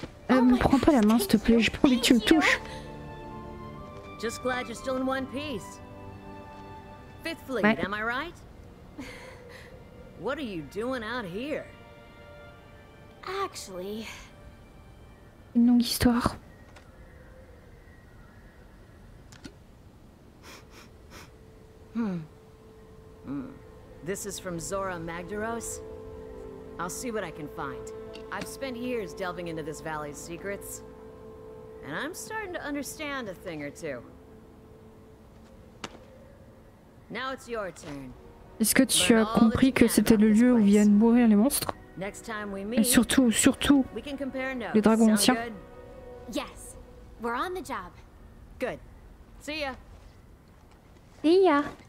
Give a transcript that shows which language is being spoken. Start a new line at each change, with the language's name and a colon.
French: Me prends pas la main, s'il te plaît. J'ai pas envie que tu me touches.
English: Just glad you're still in one piece. Fifth Fleet, ouais. Am I right? What are you doing out here? Actually...
French: Une longue histoire.
English: This is from Zora Magdaros. I'll see what I can find. I've spent years delving into this valley's secrets. And I'm starting to understand a thing or two. Now it's your turn.
French: Est-ce que tu as compris que c'était le lieu où viennent mourir les monstres?
English: Next time we meet,
French: et surtout, surtout, les dragons anciens.
English: Yes, we're on the job. Good. See ya. See ya.